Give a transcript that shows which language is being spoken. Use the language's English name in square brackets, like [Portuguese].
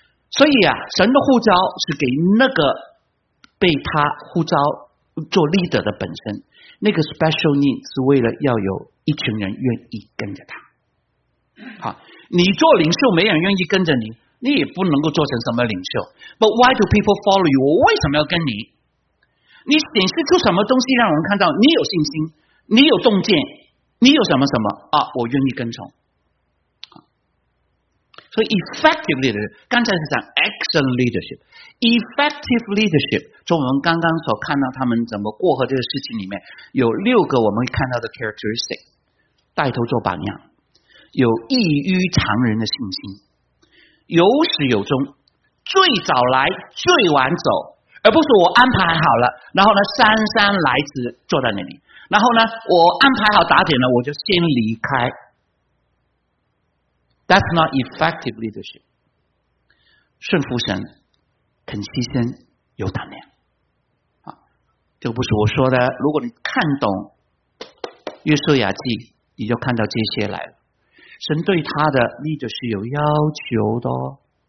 [Chinese] 所以啊，神的呼召是给那个被他呼召做 leader 的本身，那个 special need 是为了要有一群人愿意跟着他。好，你做领袖没人愿意跟着你，你也不能够做成什么领袖。 [English] But why do people follow you？ [Chinese] 我为什么要跟你？你显示出什么东西让人看到你有信心，你有洞见，你有什么什么啊？我愿意跟从。所以 effective leadership， 刚才是讲 excellent leadership， effective leadership， 从我们刚刚所看到他们怎么过河这个事情里面，有六个我们看到的 characteristic， 带头做榜样，有异于常人的信心，有始有终，最早来最晚走，而不是我安排好了然后呢姗姗来迟坐在那里，然后呢我安排好打点了我就先离开。 [English] That's not effective leadership。 [Chinese] 顺服神，肯牺牲，有胆量，这不是我说的。如果你看懂约瑟亚记，你就看到这些来了。神对他的立着是有要求的哦。